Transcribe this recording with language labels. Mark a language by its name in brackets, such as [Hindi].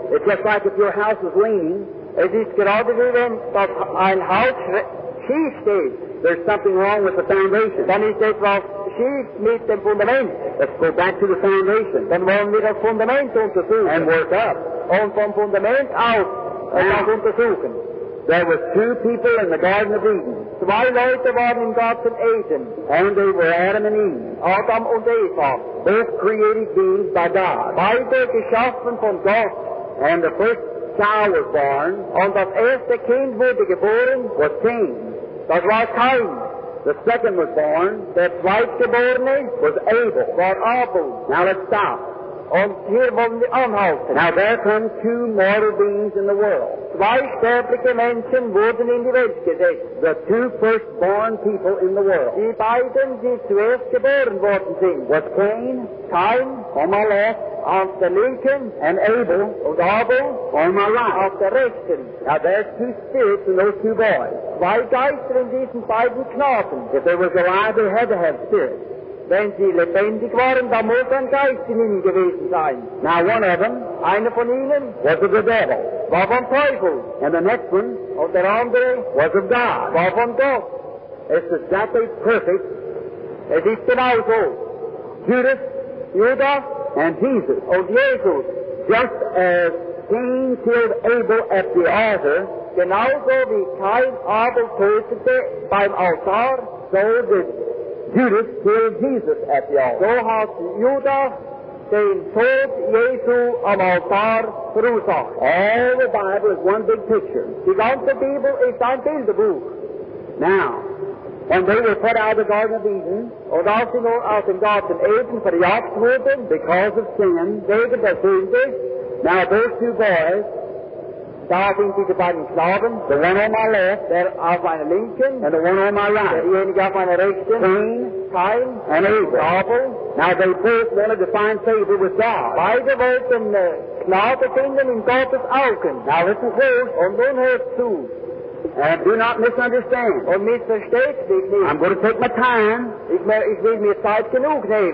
[English] It's just like if your house is leaning. [German] Es ist gerade wie wenn das ein Haus schief steht. [English] There's something wrong with the foundation. [German] Dann ist etwas schief mit dem Fundament. [English] Let's go back to the foundation. [German] Dann wollen wir das Fundament untersuchen. [English] And work up. [German] Und vom Fundament aus das untersuchen. [English] There were two people in the Garden of Eden. [German] Zwei Leute waren im Garten Eden. [English] And they were Adam and Eve. [German] Adam und Eva. [English] Both created beings by God. [German] Beide geschaffen von Gott. [English] And the first child was born. [German] Und das erste Kind wurde geboren. [English] Was Cain. [German] Das war Cain. [English] The second was born. [German] Der zweite geborene. [English] Was Abel. [German] War Abel. [English] Now let's stop. [German] Und hier wollen wir anhalten. [English] Now there come two mortal beings in the world. [German] Zwei sterbliche Menschen wurden in die Welt gesetzt. [English] The two first born people in the world. [German] Die beiden, die zuerst geboren worden sind. [English] Was Cain. [German] Cain. [English] On my left. [German] Auf der linken. [English] And Abel. [German] Und Abel. [English] On my right. [German] Auf der rechten. [English] Now there's two spirits in those two boys. [German] Zwei Geister in diesen beiden Knaben. [English] If they were alive, they had to have spirits. [German] Wenn sie lebendig waren, dann muss ein Geist in ihnen gewesen sein. [English] Now one of them. [German] Einer von ihnen. [English] Was of the devil. [German] War vom Teufel. [English] And the next one. [German] Und der andere. [English] Was of God. [German] War von Gott. [English] It's exactly perfect. [German] Es ist genau so. [English] Judas. [German] Judas. [English] And Jesus. [German] Und Jesus. [English] Just as Cain killed Abel at the altar. [German] Genau so wie Cain Abel tötete beim Altar. [English] So did Judas killed Jesus at the altar. [German] So hat Judas den Tod Jesu am Altar verursacht. [English] All the Bible is one big picture. [German] Die ganze Bibel ist ein Bilderbuch. [English] Now, when they were put out of the Garden of Eden, [German] und als sie nun aus dem Garten Eden verjagt wurden, [English] because of sin, [German] wegen der Sünde, [English] now those two boys, [German] da sind diese beiden Knaben, [English] the one on my left, [German] der auf meiner linken, [English] and the one on my right, [German] derjenige auf meiner rechten, [English] Cain, and Abel. [German] Abel. [English] Now they both wanted to find favor with God. [German] Beide wollten Gnade finden in Gottes Augen. [English] Now listen first, [German] und nun hört zu. [English] And do not misunderstand. [German] Und missversteht dich nicht. [English] I'm going to take my time. [German] Ich will mir Zeit genug nehmen.